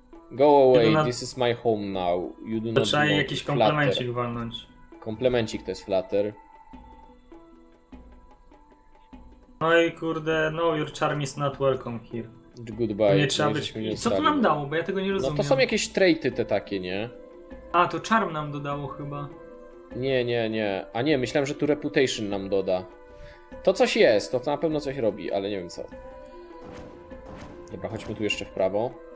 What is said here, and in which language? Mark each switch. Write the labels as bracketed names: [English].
[English] Go away, this is my home now. You do to not [Polish] trzeba [English] want [Polish] jakiś komplemencik walnąć. Komplemencik to jest flatter. No i kurde, [English] no your charm is not welcome here. Goodbye, [Polish] nie trzeba być. Nie co to nam dało, bo ja tego nie rozumiem. No to są jakieś traity te takie, nie? A, to charm nam dodało chyba. Nie. A nie, myślałem, że tu reputation nam doda. To coś jest, to na pewno coś robi, ale nie wiem co. Dobra, chodźmy tu jeszcze w prawo.